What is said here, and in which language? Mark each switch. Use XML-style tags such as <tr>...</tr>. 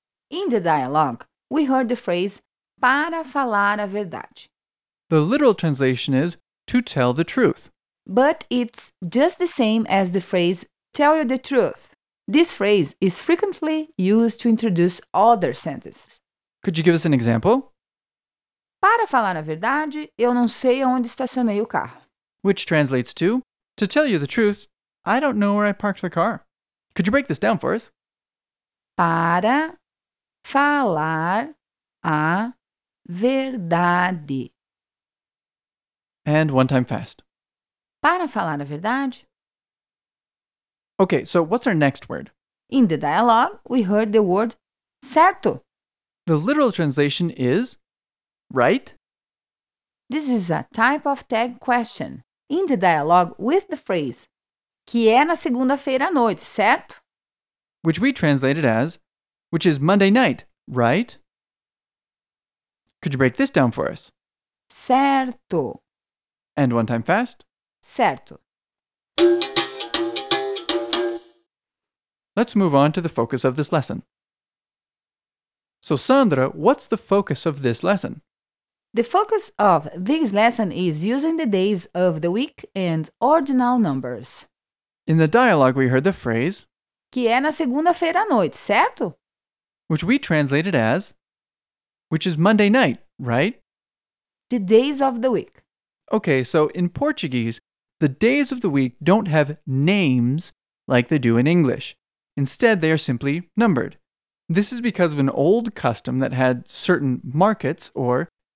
<en>In the dialogue, we heard the phrase,</en> <pt>para falar a verdade.</pt> <en>The literal translation is, to tell the truth. But it's just the same as the phrase, tell you the truth. This phrase is frequently used to introduce other sentences. Could you give us an example?</en> <pt>Para falar a verdade, eu não sei onde estacionei o carro.</pt> <en>Which translates to tell you the truth, I don't know where I parked the car. Could you break this down for us?</en> <pt>Para falar a verdade.</pt> <en>And one time fast.</en> <pt>Para falar a verdade.</pt> <en>Okay, so what's our next word? In the dialogue, we heard the word certo. The literal translation is right. This is a type of tag question. In the dialogue with the phrase,</en> <pt>que é na segunda-feira à noite, certo?</pt> <en>Which we translated as, which is Monday night, right? Could you break this down for us?</en> <pt>Certo.</pt> <en>And one time fast?</en> <pt>Certo.</pt> <en>Let's move on to the focus of this lesson. So Sandra, what's the focus of this lesson? The focus of this lesson is using the days of the week and ordinal numbers. In the dialogue, we heard the phrase,</en> <pt>que é na segunda-feira à noite, certo?</pt> <en>Which we translated as, which is Monday night, right? The days of the week. Okay, so in Portuguese, the days of the week don't have names like they do in English. Instead, they are simply numbered. This is because of an old custom that had certain markets or</en>